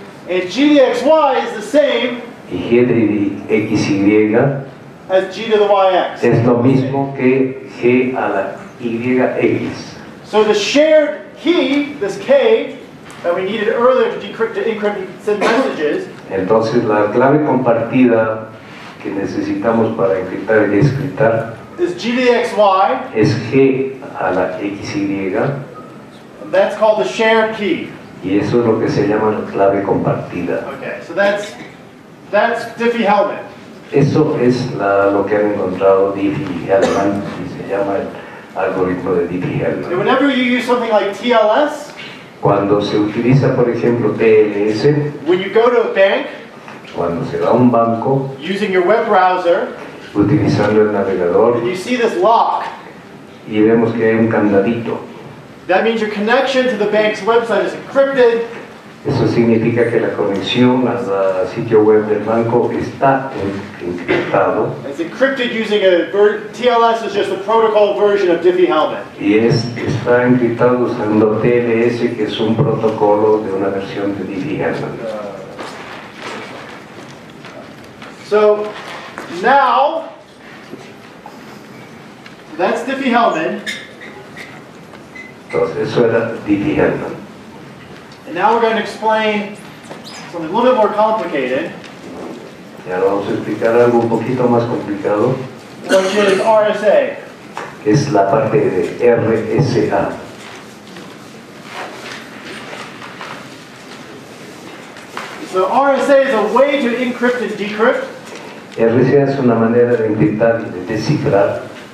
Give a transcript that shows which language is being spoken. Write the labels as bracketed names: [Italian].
[English] And g to the xy is the same. [Spanish] Y g de x y. [English] As g to the y x. [Spanish] Es lo mismo que g a la y x. [English] So the shared key, this k, that we needed earlier to decrypt, to encrypt and send messages. [Spanish] Entonces la clave compartida que necesitamos para encriptar y descriptar. [English] Is g to the xy. [Spanish] Es g a la x y. [English] That's called the shared key. [Spanish] Y eso es lo que se llama la clave compartida. [English] Okay, so that's Diffie-Hellman. [Spanish] Eso es lo que han encontrado Diffie-Hellman, y se llama el algoritmo de Diffie-Hellman. [English] And whenever you use something like TLS, [Spanish] cuando se utiliza, por ejemplo, TLS, [English] when you go to a bank, [Spanish] cuando se va a un banco, [English] using your web browser, [Spanish] utilizando el navegador, [English] and you see this lock, [Spanish] y vemos que hay un candadito. [English] That means your connection to the bank's website is encrypted. [Spanish] Eso significa que la conexión al sitio web del banco está encriptado. [English] It's encrypted using TLS is just a protocol version of Diffie-Hellman. [Spanish] Y está encriptado usando TLS, que es un protocolo de una versión de Diffie-Hellman. [English] So now, That's Diffie-Hellman. [Spanish] Entonces, eso era Diffie-Hellman. [English] And now we're going to explain something a little bit more complicated. [Spanish] Y ahora vamos a explicar algo un poquito más complicado. [English] Which is RSA. [Spanish] Es la parte de RSA. [English] So RSA is a way to encrypt and decrypt. [Spanish] RSA es una manera de encriptar y de descifrar.